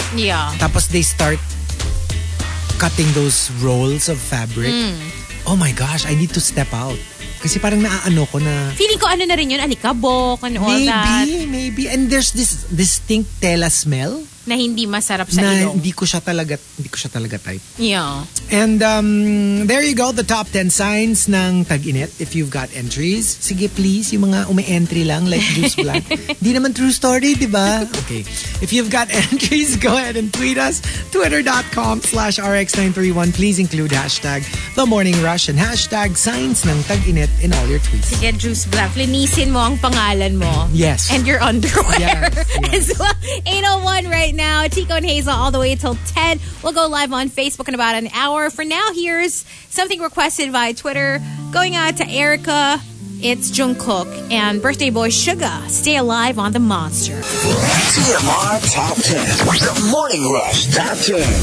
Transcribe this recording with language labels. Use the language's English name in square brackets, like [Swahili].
[English] Yeah. Tapos they start cutting those rolls of fabric. Mm. Oh my gosh, I need to step out. [Filipino] Kasi parang naaano ko na... Feeling ko ano na rin yun, alikabok and [English] all that. Maybe. And there's this distinct tela smell. [Filipino] Na hindi masarap sa ilong. Na hindi ko siya talaga type. [English] Yeah. And there you go, the top 10 signs ng tag-init. If you've got entries, sige please, [Filipino] yung mga umi-entry lang, [English] like Juice Black. [Filipino] Di naman true story, di ba? Okay. [English] If you've got entries, go ahead and tweet us. twitter.com/rx931. Please include hashtag The Morning Rush and hashtag signs ng tag-init in all your tweets. [Filipino] Sige Juice Black, linisin mo ang pangalan mo. [English] Yes. And your underwear. Yes. As well. 801, right? Now, Chico and Hazel all the way until 10. We'll go live on Facebook in about an hour. For now, here's something requested via Twitter. Going out to Erica, it's Jungkook, and birthday boy Suga. Stay alive on The Monster. TMR Top 10. The Morning Rush Top 10.